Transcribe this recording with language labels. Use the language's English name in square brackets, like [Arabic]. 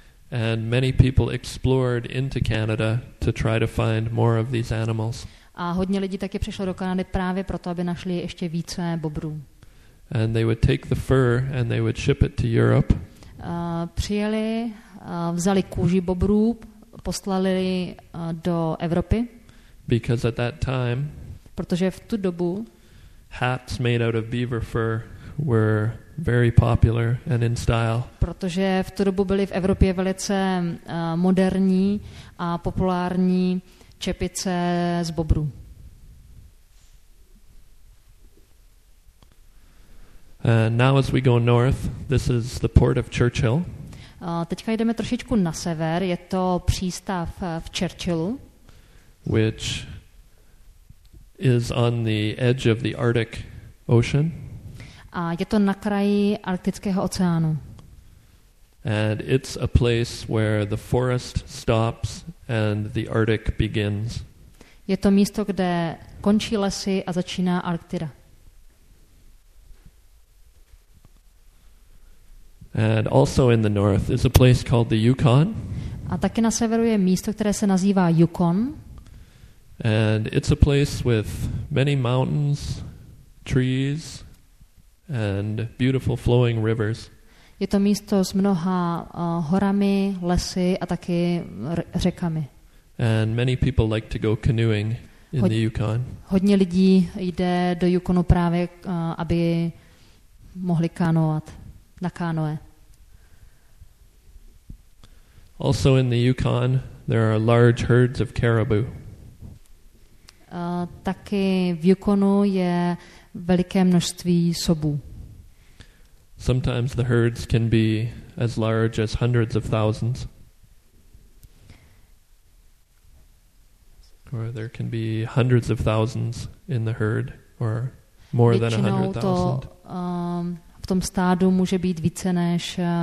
[English] And many people explored into Canada to try to find more of these animals. [Czech] A hodně lidí taky přišlo do Kanady právě proto, aby našli ještě více bobrů. [English] And they would take the fur and they would ship it to Europe. [Czech] Přijeli, vzali kůži bobrů, poslali do Evropy. [English] Because at that time, [Czech] protože v tu dobu, [English] hats made out of beaver fur were very popular and in style. [Czech] Protože v tu dobu byly v Evropě velice moderní a populární čepice z bobrů. [English] And now as we go north, this is the port of Churchill. [Czech] Teďka jdeme trošičku na sever, je to přístav v Churchillu. [English] Which is on the edge of the Arctic Ocean. [Czech] A je to na kraji Arktického oceánu. [English] And it's a place where the forest stops and the Arctic begins. [Czech] Je to místo, kde končí lesy a začíná Arktida. [English] And also in the north is a place called the Yukon. [Czech] A taky na severu je místo, které se nazývá Yukon. [English] And it's a place with many mountains, trees, and beautiful flowing rivers. [Czech] Je to místo s mnoha horami, lesy a taky řekami. [English] And many people like to go canoeing in the Yukon. [Czech] Hodně lidí jde do Yukonu právě, aby mohli kánovat na kánoe. [English] Also in the Yukon, there are large herds of caribou. [Czech] Taky v Yukonu je veliké množství sobů. [English] Sometimes the herds can be as large as hundreds of thousands. Or there can be hundreds of thousands in the herd, or more than 100,000. [Czech] Většinou to v tom stádu může být více než